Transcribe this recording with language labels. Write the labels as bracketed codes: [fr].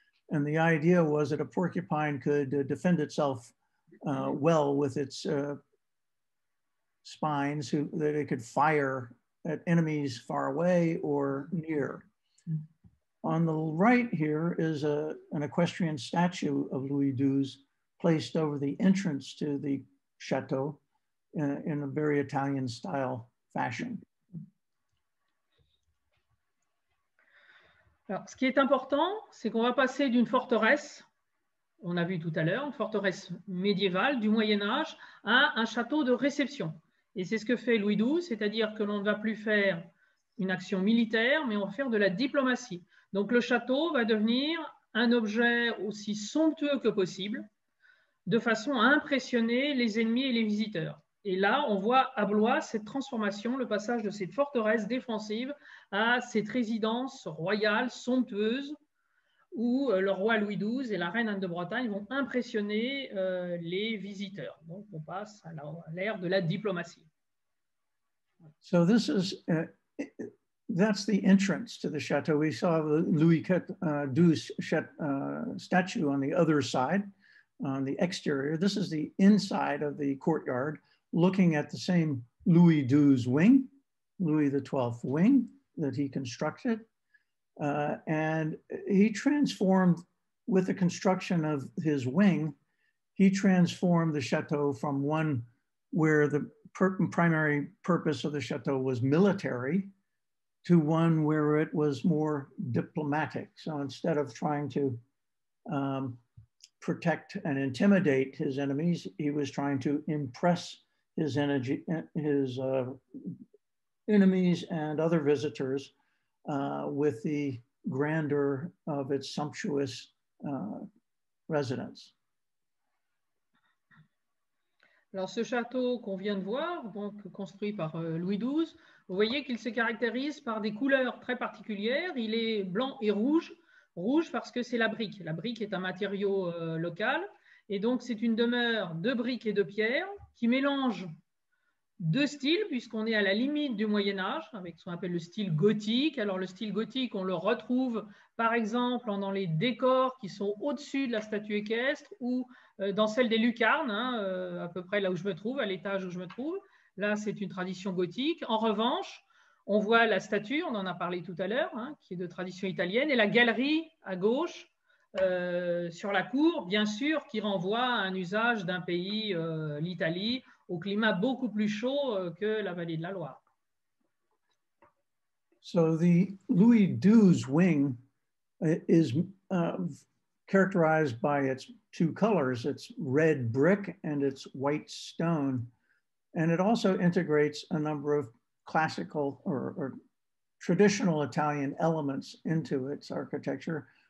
[en] And the idea was that a porcupine could defend itself well with its spines, that it could fire at enemies far away or near. On the right here is an equestrian statue of Louis XII placed over the entrance to the chateau in a very Italian style fashion. [fr] Alors, ce qui est important, c'est qu'on va passer d'une forteresse, on a vu tout à l'heure, une forteresse médiévale du Moyen-Âge, à un château de réception. Et c'est ce que fait Louis XII, c'est-à-dire que l'on ne va plus faire une action militaire, mais on va faire de la diplomatie. Donc le château va devenir un objet aussi somptueux que possible, de façon à impressionner les ennemis et les visiteurs. Et là, on voit à Blois cette transformation, le passage de cette forteresse défensive à cette résidence royale somptueuse où le roi Louis XII et la reine Anne de Bretagne vont impressionner les visiteurs. Donc, on passe à l'ère de la diplomatie. [en] So this is that's the entrance to the château. We saw the Louis XII statue on the other side, on the exterior. This is the inside of the courtyard, looking at the same Louis XII wing, Louis XII wing that he constructed. And he transformed, with the construction of his wing, he transformed the chateau from one where the primary purpose of the chateau was military to one where it was more diplomatic. So instead of trying to protect and intimidate his enemies, he was trying to impress his energy, his enemies and other visitors with the grandeur of its sumptuous residence. [fr] Alors ce château qu'on vient de voir, donc construit par Louis XII, vous voyez qu'il se caractérise par des couleurs très particulières. Il est blanc et rouge. Rouge parce que c'est la brique. La brique est un matériau local. Et donc c'est une demeure de briques et de pierres qui mélange deux styles, puisqu'on est à la limite du Moyen-Âge, avec ce qu'on appelle le style gothique. Alors, le style gothique, on le retrouve, par exemple, dans les décors qui sont au-dessus de la statue équestre ou dans celle des lucarnes, hein, à peu près là où je me trouve, à l'étage où je me trouve. Là, c'est une tradition gothique. En revanche, on voit la statue, on en a parlé tout à l'heure, hein, qui est de tradition italienne, et la galerie à gauche, sur la cour, bien sûr, qui renvoie à un usage d'un pays, l'Italie, au climat beaucoup plus chaud que la vallée de la Loire. [en] So the Louis XII wing is characterized by its two colors, its red brick and its white stone. And it also integrates a number of classical or traditional Italian elements into its architecture.